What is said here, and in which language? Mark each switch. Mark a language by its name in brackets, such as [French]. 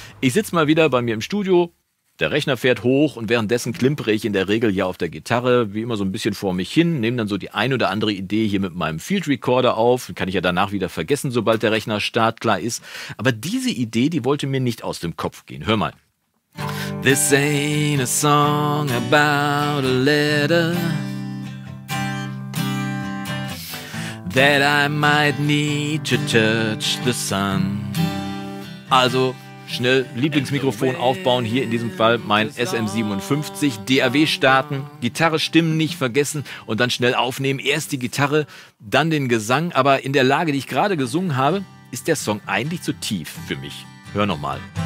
[German] Ich sitze mal wieder bei mir im Studio. Der Rechner fährt hoch und währenddessen klimpere ich in der Regel hier auf der Gitarre wie immer so ein bisschen vor mich hin, nehme dann so die ein oder andere Idee hier mit meinem Field Recorder auf, kann ich ja danach wieder vergessen, sobald der Rechner startklar ist. Aber diese Idee, die wollte mir nicht aus dem Kopf gehen. Hör mal. [English] This ain't a song about a letter that I might need to touch the sun. [German] Also schnell Lieblingsmikrofon aufbauen, hier in diesem Fall mein SM57, DAW starten, Gitarre stimmen nicht vergessen und dann schnell aufnehmen. Erst die Gitarre, dann den Gesang, aber in der Lage, die ich gerade gesungen habe, ist der Song eigentlich zu tief für mich. Hör nochmal.